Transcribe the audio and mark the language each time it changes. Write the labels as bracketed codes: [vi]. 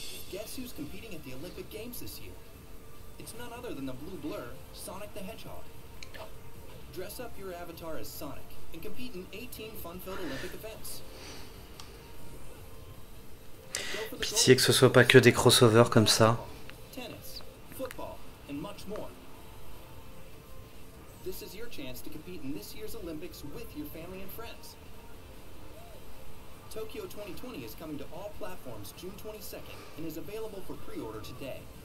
[en] Guess who's competing at the Olympic Games this year? It's none other than the Blue Blur, Sonic the Hedgehog. Dress up your avatar as Sonic and compete in 18 fun-filled Olympic events. [fr] Pitié que ce soit pas que des crossovers comme ça. [en] Tennis, football, and much more. This is your chance to compete in this year's Olympics with your family and friends. Tokyo 2020 is coming to all platforms June 22nd and is available for pre-order today.